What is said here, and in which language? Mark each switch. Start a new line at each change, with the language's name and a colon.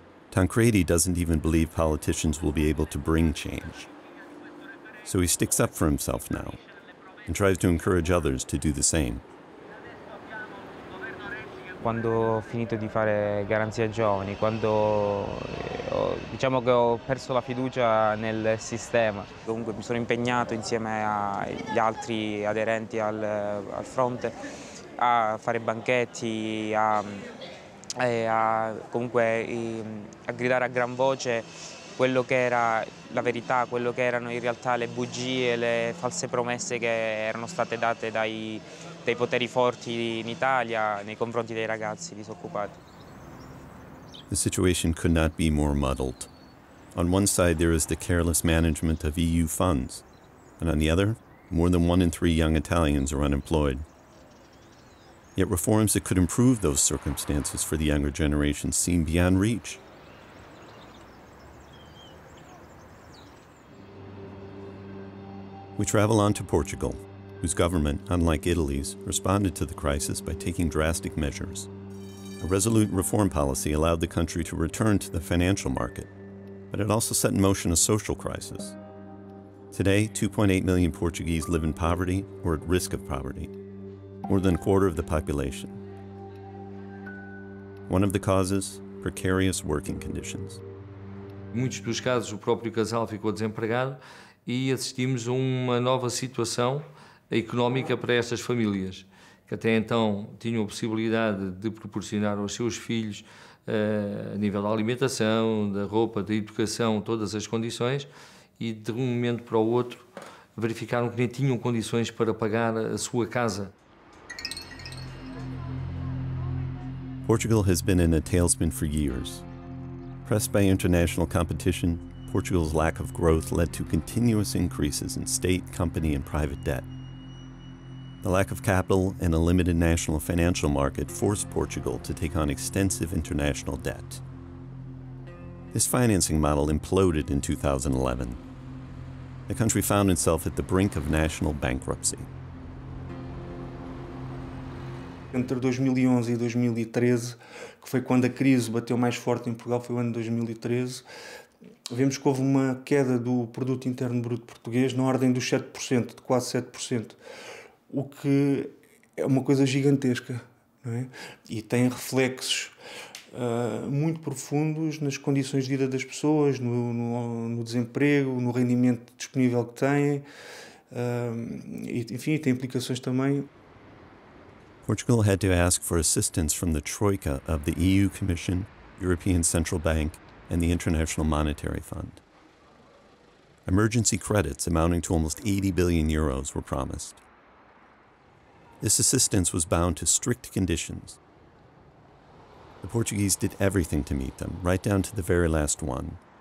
English: Tancredi doesn't even believe politicians will be able to bring change. So he sticks up for himself now and tries to encourage others to do the same.
Italian: Quando ho finito di fare garanzia giovani, quando diciamo che ho perso la fiducia nel sistema. Comunque mi sono impegnato insieme agli altri aderenti al fronte a fare banchetti, a gridare a gran voce quello che era la verità, quello che erano in realtà le bugie, le false promesse che erano state date dai poteri forti in Italia nei confronti dei ragazzi disoccupati.
English: The situation could not be more muddled. On one side there is the careless management of EU funds, and on the other, more than one in three young Italians are unemployed. Yet reforms that could improve those circumstances for the younger generation seem beyond reach. We travel on to Portugal, whose government, unlike Italy's, responded to the crisis by taking drastic measures. A resolute reform policy allowed the country to return to the financial market, but it also set in motion a social crisis. Today, 2.8 million Portuguese live in poverty or at risk of poverty, more than a quarter of the population. One of the causes, precarious working conditions. In many cases, the
Portuguese: próprio casal ficou desempregado e assistimos a uma nova situação económica para estas famílias, que até então tinham a possibilidade de proporcionar aos seus filhos, a nível da alimentação, da roupa, da educação, todas as condições, e de um momento para o outro verificaram que nem tinham condições para pagar a sua casa.
English: Portugal has been in a tailspin for years. Pressed by international competition, Portugal's lack of growth led to continuous increases in state, company, and private debt. The lack of capital and a limited national financial market forced Portugal to take on extensive international debt. This financing model imploded in 2011. The country found itself at the brink of national bankruptcy.
Portuguese: Entre 2011 e 2013, que foi quando a crise bateu mais forte em Portugal, foi o ano de 2013, vemos que houve uma queda do produto interno bruto português na ordem dos 7%, de quase 7%. O que é uma coisa gigantesca, não é? E tem reflexos muito profundos nas condições de vida das pessoas, no desemprego, no rendimento disponível que têm, e tem implicações também.
English: Portugal had to ask for assistance from the Troika of the EU Commission, European Central Bank and the International Monetary Fund. Emergency credits amounting to almost 80 billion euros were promised. This assistance was bound to strict conditions. The Portuguese did everything to meet them, right down to the very last one.